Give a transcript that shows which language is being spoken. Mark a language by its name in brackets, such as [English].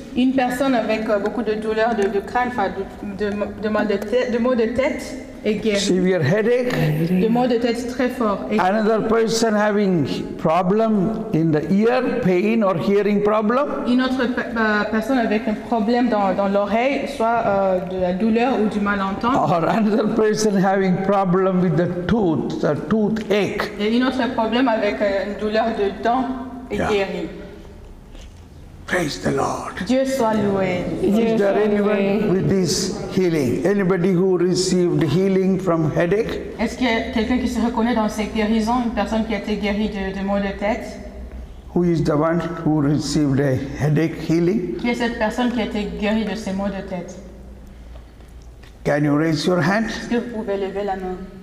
[French] Une personne avec beaucoup de douleurs de crâne, enfin de maux de tête est guérie. [English] Severe headache. [French] De maux de tête très fort. [English] Another person having problem in the ear, pain or hearing problem. [French] Une autre personne avec un problème dans l'oreille, soit de la douleur ou du malentendu. [English] Or another person having problem with the toothache. [French] Et une autre problème avec une douleur de dent est guérie. [English] Praise the Lord. [French] Dieu soit loué. [English] Is there anyone with this healing? Anybody who received healing from headache? [French] Est-ce qu'il y a quelqu'un qui se reconnaît dans cette guérison? Une personne qui a été guérie de maux de tête? [English] Who is the one who received a headache healing? [French] Qui est cette personne qui a été guérie de ces maux de tête? [English] Can you raise your hand? [French] Est-ce que vous pouvez lever la main?